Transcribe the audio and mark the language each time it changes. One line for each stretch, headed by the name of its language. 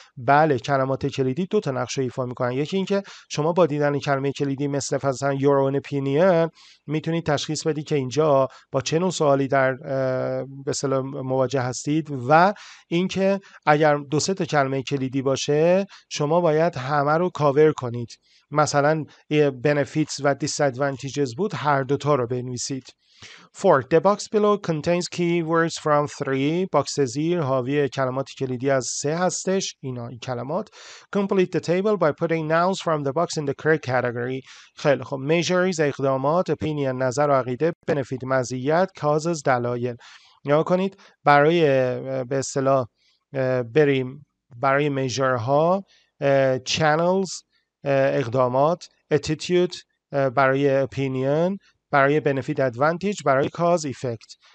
Persian: بله، کلمات کلیدی دو تا نقش ایفا میکنن. یکی اینکه شما با دیدن کلمه کلیدی مثل مثلا
English: your own opinion
Persian: میتونید تشخیص بدید که اینجا با چه نوع سوالی در به اصطلاح مواجه هستید، و اینکه اگر دو سه تا کلمه کلیدی باشه شما باید همه رو کاور کنید. مثلا benefits و disadvantages بود، هر دوتا رو بنویسید.
English: 4. The box below contains keywords from 3.
Persian: box زیر حاوی کلمات کلیدی از 3 هستش. اینا این کلمات.
English: Complete the table by putting nouns from the box in the correct category.
Persian: خیلی خب. Measures اقدامات، opinion نظر و عقیده، benefit مزیت، causes دلایل. نگاه کنید برای به اصطلاح بریم برای measure ها، channels اقدامات، attitude برای opinion، برای benefit advantage، برای cause effect.